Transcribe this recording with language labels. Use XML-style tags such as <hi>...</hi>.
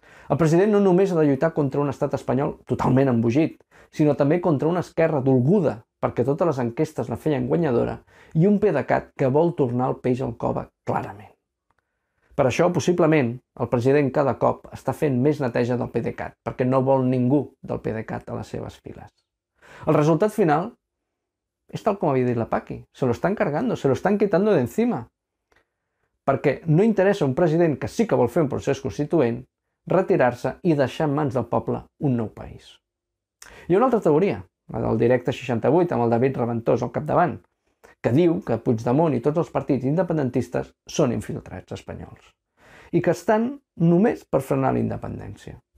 <ca>El president no només ha de lluitar contra un estat espanyol totalment embogit, sinó també contra una esquerra dolguda perquè totes les enquestes la feien guanyadora i un PDeCAT que vol tornar el peix al cove clarament. Per això, possiblement, el president cada cop està fent més neteja del PDeCAT perquè no vol ningú del PDeCAT a les seves files. El resultat final és tal com havia dit la Paqui.</ca> <es>Se lo están cargando, se lo están quitando de encima.</es> <ca>Perquè no interessa un president que sí que vol fer un procés constituent retirar-se i deixar en mans del poble un nou país. Hi ha una altra teoria, la del directe 68 amb el David Reventós al capdavant, que diu que Puigdemont i tots els partits independentistes són infiltrats espanyols i que estan només per frenar la independència.</ca>